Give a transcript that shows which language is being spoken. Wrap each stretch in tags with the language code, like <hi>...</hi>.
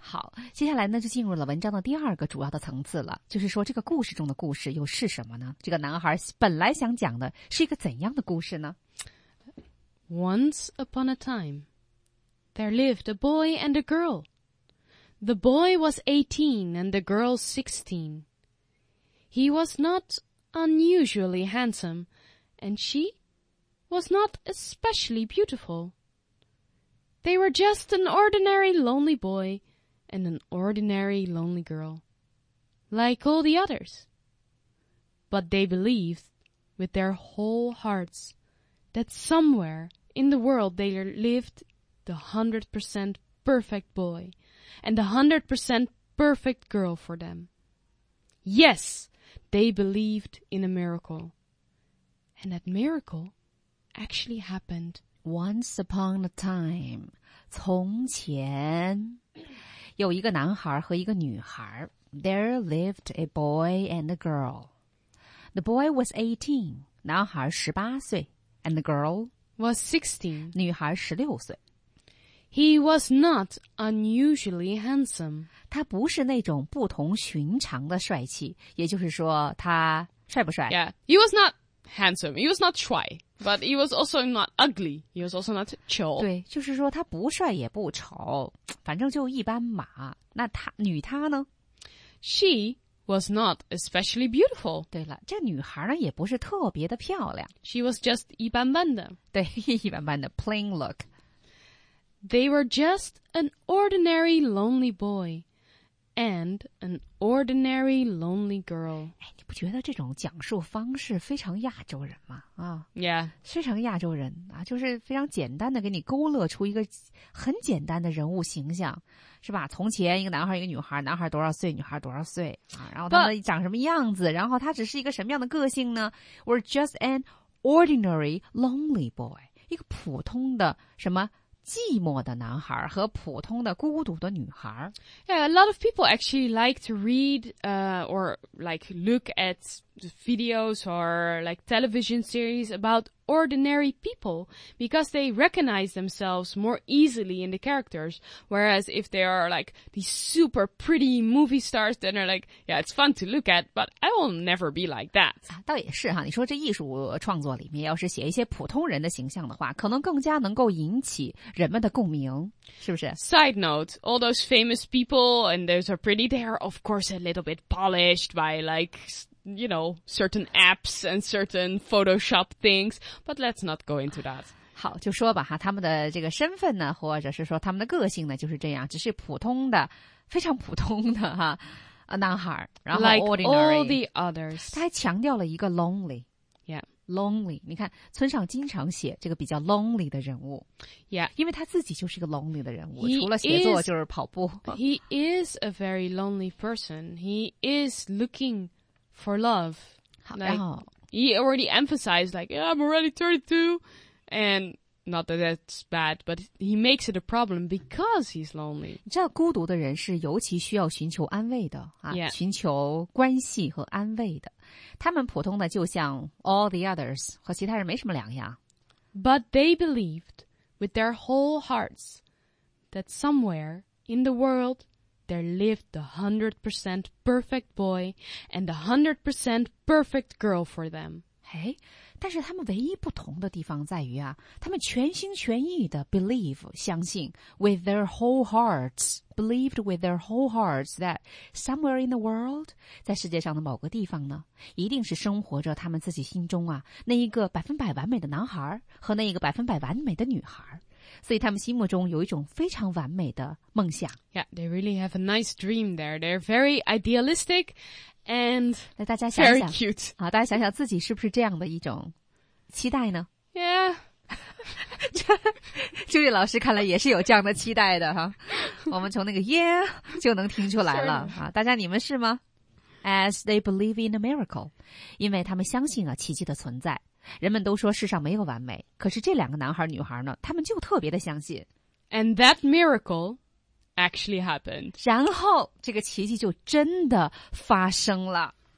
<zh>好，接下来呢就进入了文章的第二个主要的层次了，就是说这个故事中的故事又是什么呢？这个男孩本来想讲的是一个怎样的故事呢？</zh> <en>Once upon a time, there lived a boy and a girl. The boy was 18 and the girl 16. He was not unusually handsome, and she was not especially beautiful. They were just an ordinary lonely boy and an ordinary lonely girl, like all the others. But they believed, with their whole hearts, that somewhere in the world they lived the 100% perfect boy and the 100% perfect girl for them. Yes, they believed in a miracle. And that miracle actually happened once upon a time.</en> <zh>从前有一个男孩和一个女孩。</zh> <en>There lived a boy and a girl. The boy was 18,</en> <zh>男孩18岁。</zh> <en>And the girl was 16,</en> <zh>女孩16岁。</zh> <en>He was not unusually handsome.</en> <zh>他不是那种不同寻常的帅气，也就是说他帅不帅。</zh> <en>Yeah, he was not handsome, he was not shy, but he was also not ugly, he was also not</en> <zh>丑。对，就是说他不帅也不丑，反正就一般嘛。那他，女他呢？</zh> <en>She was not especially beautiful.</en> <zh>对了，这女孩呢也不是特别的漂亮。</zh> <en>She was just</en> <zh>一般般的。对，一般般的</zh> <en>plain look。 They were just an ordinary lonely boy and an ordinary lonely girl.</en> <zh>哎，你不觉得这种讲述方式非常亚洲人吗？啊，Yeah，非常亚洲人啊，就是非常简单的给你勾勒出一个很简单的人物形象，是吧？从前一个男孩，一个女孩，男孩多少岁，女孩多少岁啊？然后他们长什么样子？</zh> <en>But,</en> <zh>然后他只是一个什么样的个性呢 ？</zh> <en>Were just an ordinary lonely boy，</en> <zh>一个普通的什么？寂寞的男孩和普通的孤独的女孩。</zh> <en>Yeah, a lot of people actually like to read, or like look at the videos or like television series about ordinary people because they recognize themselves more easily in the characters. Whereas if they are like these super pretty movie stars, then they're like, yeah, it's fun to look at, but I will never be like that.</en> <zh>倒也是哈，你说这艺术创作里面要是写一些普通人的形象的话，可能更加能够引起人们的共鸣，是不是？</zh> <en>Side note, all those famous people and those are pretty, they are of course a little bit polished by like, you know, certain apps and certain Photoshop things, but let's not go into that.</en> <zh>好，就说吧哈，他们的这个身份呢，或者是说他们的个性呢，就是这样，只是普通的，非常普通的哈，啊，男孩，然后 ordinary,</zh> <en>like all the others.</en> <zh>他还强调了一个 lonely. Yeah.</zh> <en>Lonely.</en> <zh>你看，村上经常写这个比较 lonely 的人物。 Yeah. 因为他自己就是一个 lonely 的人物，除了写作就是跑步。</zh> <en>He is a very lonely person. He is lookingFor love. Like, he already emphasized, like, yeah, I'm already 32. And not that that's bad, but he makes it a problem because he's lonely.</en> <zh>你知道孤独的人是尤其需要寻求安慰的、啊 yeah. 寻求关系和安慰的。他们普通的就像</zh> <en>all the others,</en> <zh>和其他人没什么两样。</zh> <en>But they believed with their whole hearts that somewhere in the world,There lived the 100% perfect boy and the 100% perfect girl for them.</en> <zh>哎，但是他们唯一不同的地方在于啊，他们全心全意的 believe, 相信</zh> <en>with their whole hearts, believed with their whole hearts that somewhere in the world,</en> <zh>在世界上的某个地方呢，一定是生活着他们自己心中啊，那一个百分百完美的男孩和那一个百分百完美的女孩。所以他们心目中有一种非常完美的梦想。</zh> <en>Yeah, they really have a nice dream there. They're very idealistic and</en> <zh>来大家想一想</zh> <en>very cute.</en> <zh>好，大家想想自己是不是这样的一种期待呢？Yeah，朱莉老师看来也是有这样的期待的哈。我们从那个 yeah 就能听出来了啊，大家你们是吗 ？</zh> <en>As they believe in a miracle，</en> <zh>因为他们相信啊奇迹的存在。人们都说世上没有完美，可是这两个男孩女孩呢，他们就特别的相信。</zh> <en>And that miracle actually happened.</en> <zh>然后这个奇迹就真的发生了。</zh>